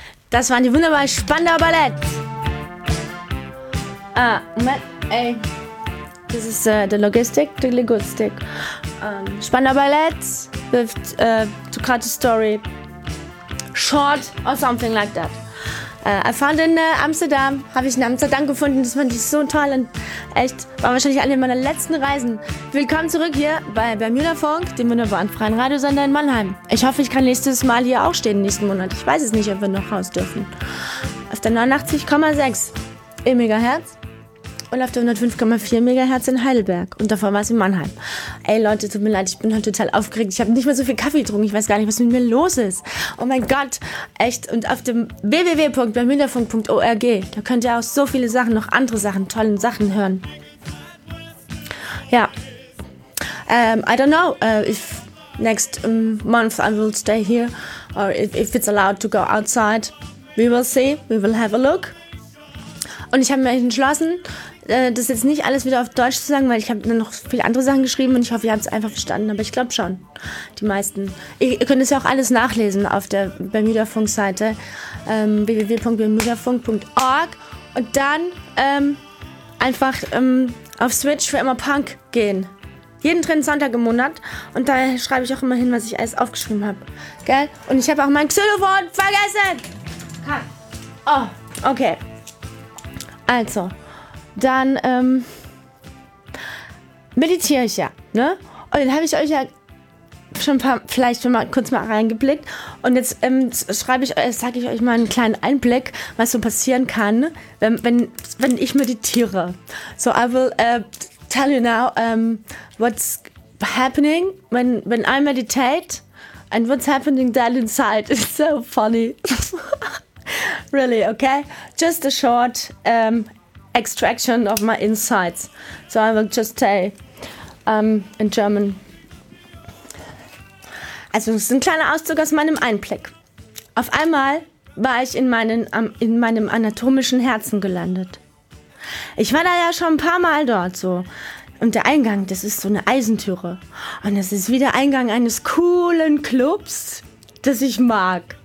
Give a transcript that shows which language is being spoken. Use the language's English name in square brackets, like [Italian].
[German] Das waren die wunderbaren Spandauer Ballett. Ah, Moment, ey. Das ist der Logistik, der Logistik. [English] Spandauer Ballett with Tukate Story. Short or something like that. I found in Amsterdam, [German] habe ich in Amsterdam gefunden, das fand ich so toll und echt, war wahrscheinlich eine meiner letzten Reisen. Willkommen zurück hier bei Bermuda Funk, dem wunderbaren freien Radiosender in Mannheim. Ich hoffe, ich kann nächstes Mal hier auch stehen, nächsten Monat. Ich weiß es nicht, ob wir noch raus dürfen. Auf der 89,6 im Megahertz und auf der 105,4 Megahertz in Heidelberg und davor war es in Mannheim. Ey Leute, tut mir leid, ich bin heute total aufgeregt. Ich habe nicht mehr so viel Kaffee getrunken. Ich weiß gar nicht, was mit mir los ist. Oh mein Gott, echt. Und auf dem www.bermudafunk.org, da könnt ihr auch so viele Sachen, noch andere Sachen, tollen Sachen hören. Ja. [English] I don't know if next month I will stay here or if it's allowed to go outside. We will see, we will have a look. [German] Und ich habe mir entschlossen, das jetzt nicht alles wieder auf Deutsch zu sagen, weil ich habe dann noch viele andere Sachen geschrieben und ich hoffe, ihr habt es einfach verstanden. Aber ich glaube schon, die meisten. Ihr könnt es ja auch alles nachlesen auf der Bermuda-Funk-Seite www.bermudafunk.org und dann einfach auf Switch für immer Punk gehen. Jeden dritten Sonntag im Monat. Und da schreibe ich auch immer hin, was ich alles aufgeschrieben habe. Gell? Und ich habe auch mein Xylophon vergessen. Ha. Oh, okay. Also, dann meditiere ich ja, ne? Und dann habe ich euch ja schon kurz mal reingeblickt. Und jetzt sage ich euch mal einen kleinen Einblick, was so passieren kann, wenn ich meditiere. [English] So, I will tell you now what's happening when I meditate and what's happening then inside. It's so funny. Really, okay? Just a short extraction of my insights. So I will just say in German. [German] Also es ist ein kleiner Auszug aus meinem Einblick. Auf einmal war ich in meinem anatomischen Herzen gelandet. Ich war da ja schon ein paar Mal dort so. Und der Eingang, das ist so eine Eisentüre. Und es ist wie der Eingang eines coolen Clubs, das ich mag.